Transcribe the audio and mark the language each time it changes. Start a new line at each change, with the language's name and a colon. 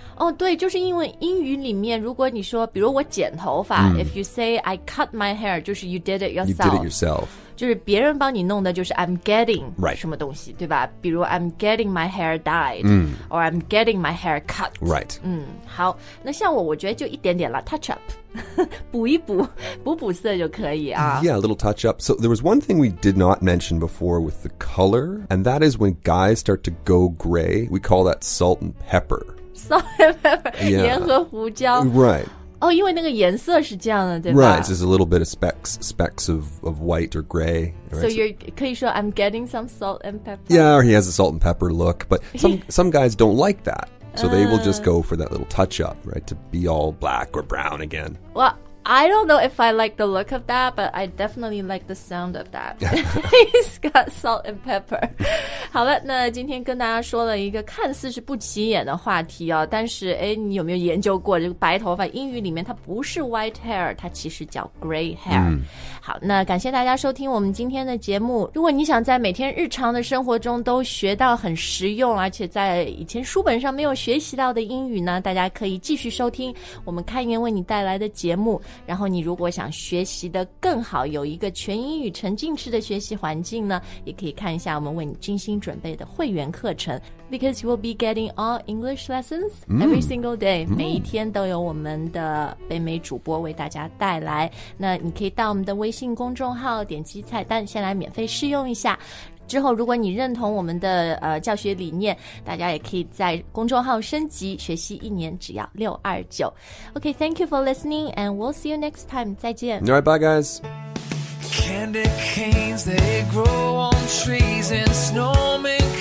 Chinese: Oh, 对，就是因为英语里面如果你说比如我剪头发、mm.
English: if you say I cut my hair,
Chinese: 就是
English: you did it yourself. You did it yourself.
Chinese: 就是别人帮你弄的就是
English: I'm getting、 right.
Chinese: 什么东西对吧比如
English: I'm getting my hair dyed、 mm. or I'm getting my hair cut right、
Chinese: 嗯、好那像我觉得就一点点了 touch up 补一补补补色就可以啊
English: yeah a little touch up so there was one thing we did not mention before with the color and that is when guys start to go gray we call that salt and pepper salt and pepper
Chinese: 盐、
English: yeah.
Chinese: 和胡椒
English: right
Chinese: Oh, 因为那个颜色是这样的对吧
English: Right, it's just a little bit of specks of white or gray. Right? So you're,
Chinese: 可以说
English: I'm getting some salt and pepper. Yeah, or he has a salt and pepper look. But some guys don't like that. So they will just go for that little touch up, right, to be all black or brown again. Well, I don't know if I like the look of that, but I definitely like the sound of that. He's got salt and pepper.
Chinese: 好了，那今天跟大家说了一个看似是不起眼的话题哦，但是哎，你有没有研究过这个白头发？英语里面它不是 white hair， 它其实叫 gray hair、嗯。好，那感谢大家收听我们今天的节目。如果你想在每天日常的生活中都学到很实用，而且在以前书本上没有学习到的英语呢，大家可以继续收听我们开言为你带来的节目。然后你如果想学习的更好，有一个全英语沉浸式的学习环境呢，也可以看一下我们为你精心准备的会员课程 ，
English: because you will be getting all English lessons every single day，、
Chinese: 嗯、每一天都有我们的北美主播为大家带来。那你可以到我们的微信公众号，点击菜单先来免费试用一下。之后，如果你认同我们的教学理念，大家也可以在公众号升级学习一年，只要629。
English: Okay, thank you for listening, and we'll see you next time.
Chinese: 再见。
English: All right, bye, guys. Candy canes, they grow on trees and snowmen.